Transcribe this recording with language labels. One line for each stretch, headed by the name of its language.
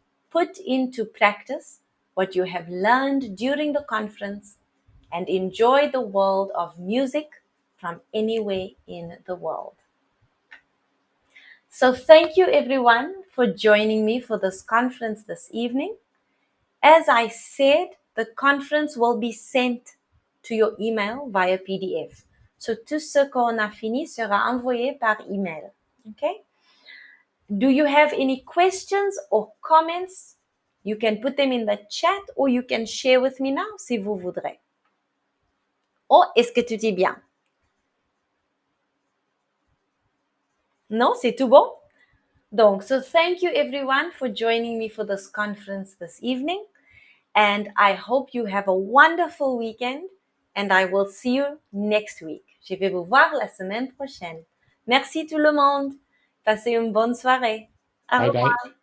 English: Put into practice what you have learned during the conference and enjoy the world of music from anywhere in the world. So thank you, everyone, for joining me for this conference this evening. As I said, the conference will be sent to your email via PDF.
French: So tout ce qu'on a fini sera envoyé par email.
English: Okay? Do you have any questions or comments? You can put them in the chat or you can share with me now
French: si vous voudrez. Oh, est-ce que tout est bien? Non, c'est tout bon?
English: Donc, so thank you everyone for joining me for this conference this evening. And I hope you have a wonderful weekend. And I will see you next week.
French: Je vais vous voir la semaine prochaine. Merci tout le monde. Passez une bonne soirée. Au revoir.